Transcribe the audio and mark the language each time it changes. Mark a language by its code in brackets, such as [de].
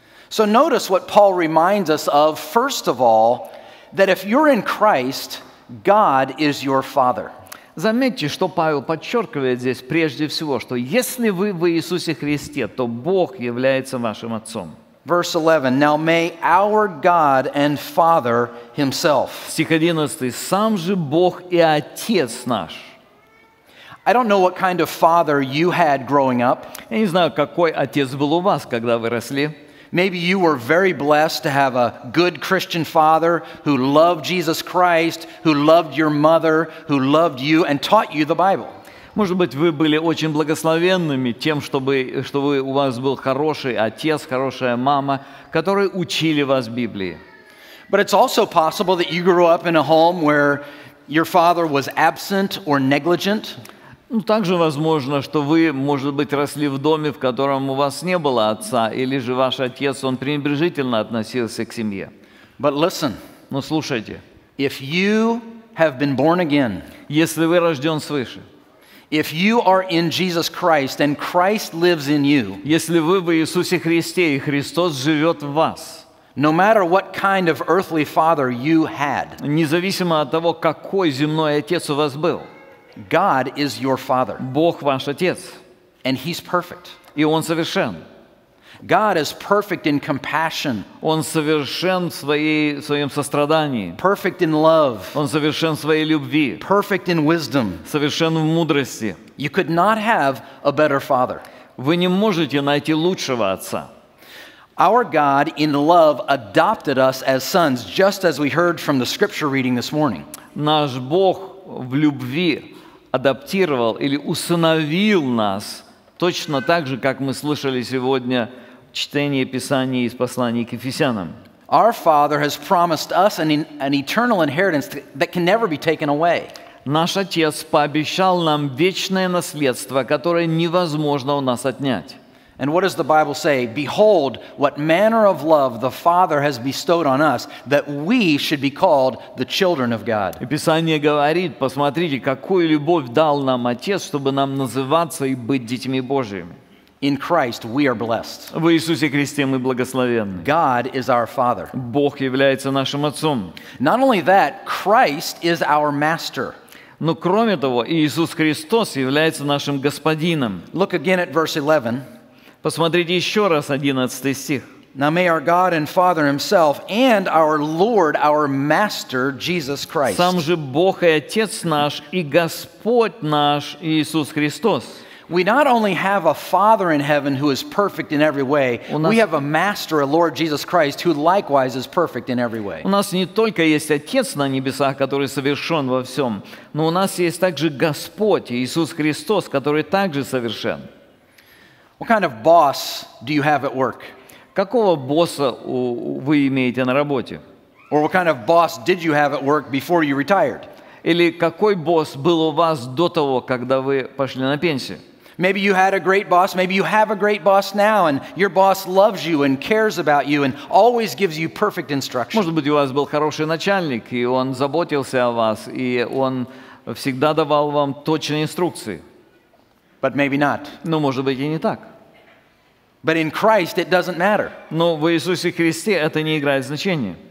[en] So notice what Paul reminds us of, first of all, that if you're in Christ, God is your Father. [ru] Заметьте, что Павел подчеркивает здесь прежде всего, что если вы в Иисусе Христе, то Бог является вашим Отцом. [en] Verse 11. Now may our God and Father Himself. [ru] Стих 11. Сам же Бог и Отец наш. [en] I don't know what kind of father you had growing up. [ru] Я не знаю, какой отец был у вас, когда вы росли. [en] Maybe you were very blessed to have a good Christian father who loved Jesus Christ, who loved your mother, who loved you and taught you the Bible. [ru] Может быть, вы были очень благословенными тем, чтобы у вас был хороший отец, хорошая мама, которые учили вас Библии. [en] But it's also possible that you grew up in a home where your father was absent or negligent. [ru] Ну, также возможно, что вы, может быть, росли в доме, в котором у вас не было отца, или же ваш отец, он пренебрежительно относился к семье. [en] But listen, [ru] но слушайте. [en] If you have been born again, [ru] если вы рожден свыше, [en] if you are in Jesus Christ, and Christ lives in you, [ru] если вы в Иисусе Христе, и Христос живет в вас, [en] no matter what kind of earthly father you had, [ru] независимо от того, какой земной отец у вас был, [en] God is your father. [ru] Бог ваш отец. [en] And he's perfect. [ru] И он совершен. [en] God is perfect in compassion. [ru] Он совершен в своем сострадании. [en] Perfect in love. [ru] Он совершен в своей любви. [en] Perfect in wisdom. [ru] Совершен в мудрости. [en] You could not have a better father. [ru] Вы не можете найти лучшего отца. [en] Our God in love adopted us as sons, just as we heard from the scripture reading this morning. [ru] Наш Бог в любви адаптировал или усыновил нас точно так же, как мы слышали сегодня чтение Писания из послания к Ефесянам. [en] Our Father has promised us an eternal inheritance that can never be taken away. [ru] Наш Отец пообещал нам вечное наследство, которое невозможно у нас отнять. [en] And what does the Bible say? Behold, what manner of love the Father has bestowed on us, that we should be called the children of God. [ru] И Писание говорит, посмотрите, какую любовь дал нам Отец, чтобы нам называться и быть детьми Божьими. [en] In Christ, we are blessed. [ru] В Иисусе Христе мы благословенны. [en] God is our Father. [ru] Бог является нашим Отцом. [en] Not only that, Christ is our Master. [ru] Но кроме того, Иисус Христос является нашим Господином. [en] Look again at verse 11. [ru] Посмотрите еще раз 11 стих. [en] Now may our God and Father Himself and our Lord, our Master, Jesus Christ. [ru] Сам же Бог и Отец наш и Господь наш Иисус Христос. [en] We not only have a Father in heaven who is perfect in every way, we have a Master, a Lord Jesus Christ, who likewise is perfect in every way. [ru] У нас не только есть Отец на небесах, который совершен во всем, но у нас есть также Господь Иисус Христос, который также совершен. [en] What kind of boss do you have at work? [ru] Какого босса вы имеете на работе? [en] Or what kind of boss did you have at work before you retired? [ru] Или какой босс был у вас до того, когда вы пошли на пенсию? [en] Maybe you had a great boss, maybe you have a great boss now, and your boss loves you and cares about you and always gives you perfect instruction. [ru] Может быть, у вас был хороший начальник, и он заботился о вас, и он всегда давал вам точные инструкции. [en] But maybe not. [ru] Но, может быть, и не так. [en] But in Christ, it doesn't matter. [ru] Но в Иисусе Христе это не играет значения.